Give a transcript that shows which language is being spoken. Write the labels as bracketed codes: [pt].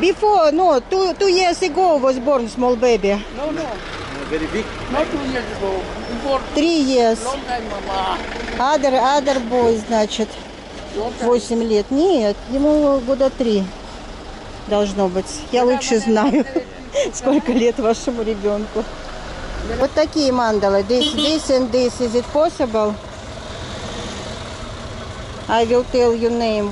[en] Before, no, two years ago was born small baby. No. Very big. Not 2 years ago. Before. 3 years. Long time, mama. Other boy, [ru] значит. 8 лет. Нет, ему года 3 должно быть. Я лучше знаю, сколько лет вашему ребенку. Вот такие мандалы. [en] This and this. Is it possible? I will tell you name.